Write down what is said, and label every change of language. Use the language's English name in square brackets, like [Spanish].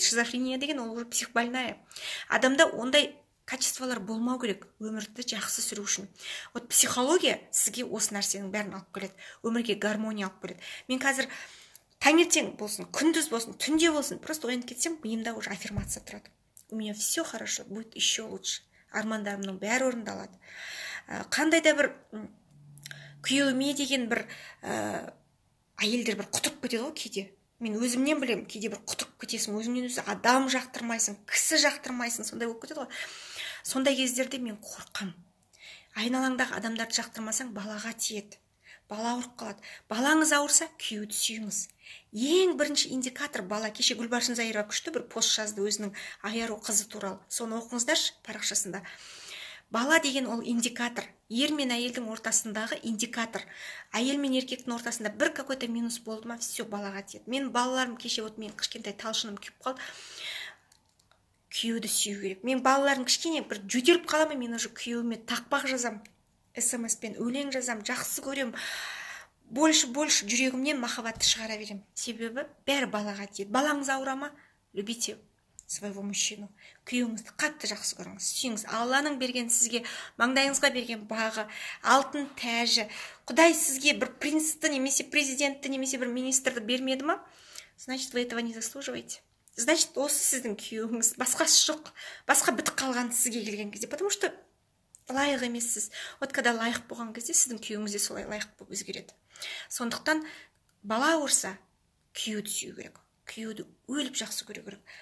[Kazakh] Шизофрения деген ол уже психбольная. Адамда ондай качестволар болмау керек өмірді жақсы сүру үшін. Вот психология сізге осы нәрсенің бәрін алып келеді, өмірге гармония алып келеді. Мен қазір таңертең болсын, күндіз болсын, түнде болсын, просто оянып кетсем, миымда уже аффирмация тұрады. [Russian] У меня все хорошо, будет еще лучше. [Kazakh] Армандарымның бәрі орындалады. Қандай да бір күйеуіме деген бір әйелдер бір құтырып кетеді ғой кейде. Мен өзімнен білемін, кейде бір құтырып кетесің, өзіңнен өзі адам жақтырмайсың, кісі жақтырмайсың, сондай болып кетеді ғой. Сондай кездерде мен қорқам. Айналаңдағы адамдарды жақтырмасаң, балаға тиеді. Бала ауырып қалады. Балаңыз ауырса, күйеуді сүйіңіз. Ең бірінші индикатор бала. Кеше Гүлбаршын Зайырова күшті бір пост жазды өзінің аяру қызы туралы. Соны оқыңыздаршы парақшасында. Бала деген ол индикатор. Ер мен әйелдің ортасындағы индикатор. Әйел мен еркектің ортасында бір какой-то минус болды ма, все балаға тиеді. Мен балаларым кеше вот мен кішкентай талшыным күйіп қалды. Күйеуді сүю керек. Мен балаларым кішкене бір жөтеліп қала ма, мен уже күйеуіме тақпақ жазам, смс пен өлең жазам, жақсы көрем, больше-больше жүрегімнен махаббатты шығара берем. Себебі бәрі балаға тиеді. Балаңыз ауыра ма, [Russian] любите своего мужчину. [Kazakh] Күйеуіңізді қатты жақсы көріңіз, сүйіңіз. Алланың берген сізге, маңдайыңызға берген бағы, алтын тәжі. Құдай сізге бір принципті, немесе президентті, немесе бір министрді бермеді ма, [Russian] значит, вы этого не заслуживаете. [Kazakh] Значит, осы сіздің күйеуіңіз, басқасы жоқ, басқа бітік қалған сізге келген кезде, [Russian] потому что [Kazakh] лайық емессіз. [Russian] Вот когда [Kazakh] лайық болған кезде, сіздің күйеуіңіз де солай лайық болып өзгереді. Сондықтан бала ауырса, күйеуді сүю керек. Күйеуді өліп жақсы көру керек.